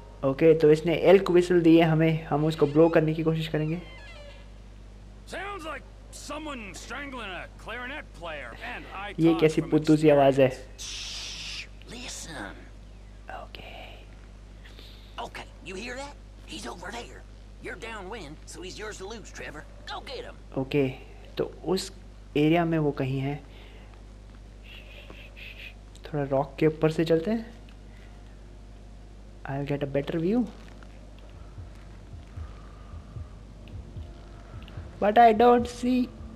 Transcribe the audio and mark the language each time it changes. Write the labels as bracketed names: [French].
[Hindi] Okay, तो इसने elk whistle दिए हमें, हम उसको ब्लो करने की कोशिश करेंगे. [English] Someone strangling a clarinet player and I thought. [Hindi] ये कैसी पुद्दू सी आवाज है. [English] Listen. Okay. Okay, you hear that? He's over there. You're downwind, so he's yours to lose, Trevor. Go get him. Okay. [Hindi] तो उस एरिया में वो कहीं है. थोड़ा रॉक के ऊपर से चलते हैं. [English] I'll get a better view. But I don't see.